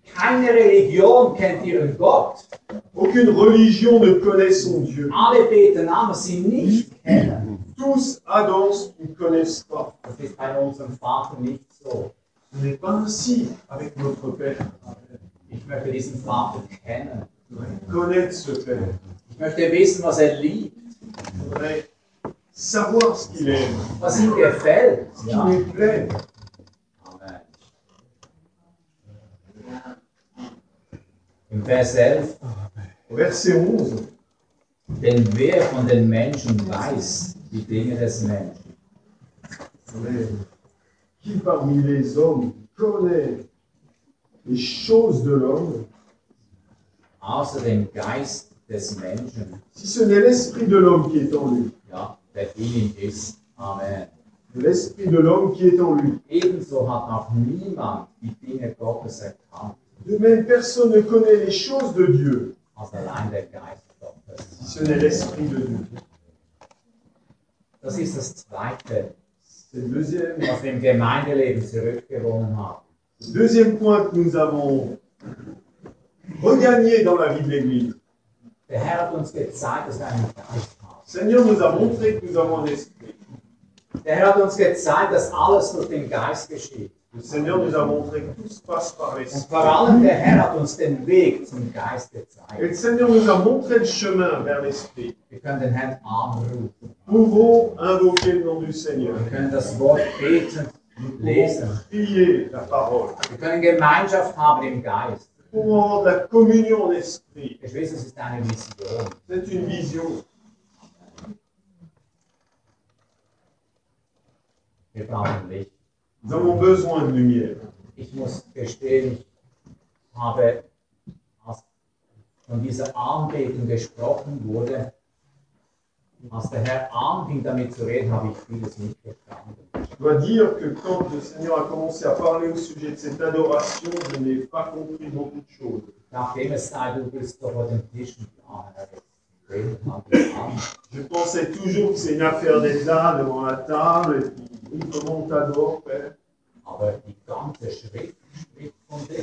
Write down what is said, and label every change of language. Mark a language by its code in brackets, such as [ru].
[de] Keine Religion kennt ihren Gott. [fr] Aucune religion ne connaît son Dieu. [de] Alle beten an, was sie nicht kennen. [fr] Tous adorent ce qu'ils ne connaissent pas. [de] Das ist bei unserem Vater nicht so. [fr] Ce n'est pas ainsi avec notre Père. [de] Ich möchte diesen Vater kennen. [fr] Connaître ce Père. [de] Ich möchte wissen, was er liebt. [fr] Ouais. Savoir ce qu'il aime. [de] Was ihm gefällt. [fr] Ce qui lui plaît. [de] Amen. Im Vers 11. [fr] Au verset 11. [de] Denn wer von den Menschen weiß die Dinge des Menschen? [fr] Qui parmi les hommes connaît les choses de l'homme? [de] Außer dem Geist des Menschen. [fr] Si ce n'est l'esprit de l'homme qui est en lui. [de] Ja. Der in ihm ist. Amen. [fr] l'Esprit de l'homme qui est en lui. [de] Ebenso hat auch niemand die Dinge Gottes erkannt. [fr] De même, personne ne connaît les choses de Dieu. [de] Allein der Geist Gottes. [fr] Si ce n'est l'Esprit de Dieu. [de] Das ist das Zweite, [fr] c'est le deuxième, [de] was wir im Gemeindeleben zurückgewonnen haben. [fr] Le deuxième point que nous avons regagné dans la vie de l'Église. [de] Der Herr hat uns gezeigt, dass wir einen Geist haben. [fr] Seigneur nous a montré que nous avons un esprit. [de] Der Herr hat uns gezeigt, dass alles durch den Geist geschieht. [fr] Le Seigneur nous a montré que tout se passe par l'Esprit. [de] Und vor allem der Herr hat uns den Weg zum Geist gezeigt. [fr] Et le Seigneur nous a montré le chemin vers l'Esprit. [de] Wir können den Herrn anrufen. [fr] Pouvons invoquer le nom du Seigneur. [de] Wir können das Wort beten und lesen. [fr] Prier la parole. [de] Wir können Gemeinschaft haben im Geist. [fr] Pour avoir de la communion en esprit. Et je sais, c'est une vision. C'est une vision. [de] Wir brauchen Licht. [fr] Nous avons besoin de lumière. [de] Ich muss gestehen, habe, als von dieser Anbetung gesprochen wurde, als der Herr anfing damit zu reden, habe ich vieles nicht verstanden. [fr] Je dois dire que quand le Seigneur a commencé à parler au sujet de cette adoration, je n'ai pas compris beaucoup de choses. [de] Nachdem es sei, du bist doch auf dem Tisch mit dem Herrn. [fr] Je pensais toujours que c'est une affaire d'être là devant la table et puis comment on t'adore, Père. [de] Aber die ganze Schrift von